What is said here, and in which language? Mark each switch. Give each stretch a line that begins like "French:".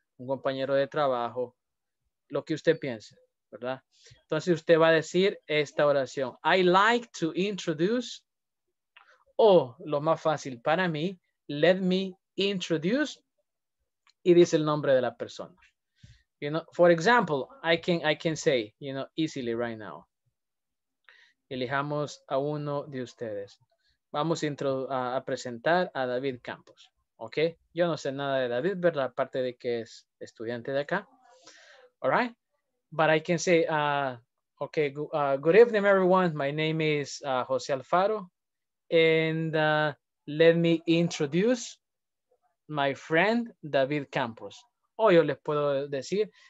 Spanish: Un compañero de trabajo, lo que usted piense, ¿verdad? Entonces usted va a decir esta oración.
English: I like to introduce,
Spanish: o lo más fácil para mí,
English: let me introduce,
Spanish: y dice el nombre de la persona.
English: You know, for example, I can say, you know, easily right now.
Spanish: Elijamos a uno de ustedes. Vamos a presentar a David Campos. Ok, yo no sé nada de David, ¿verdad? Aparte de que es estudiante de acá.
English: All right, but I can say, good evening, everyone. My name is José Alfaro, and let me introduce my friend David Campos.
Spanish: O yo les puedo decir,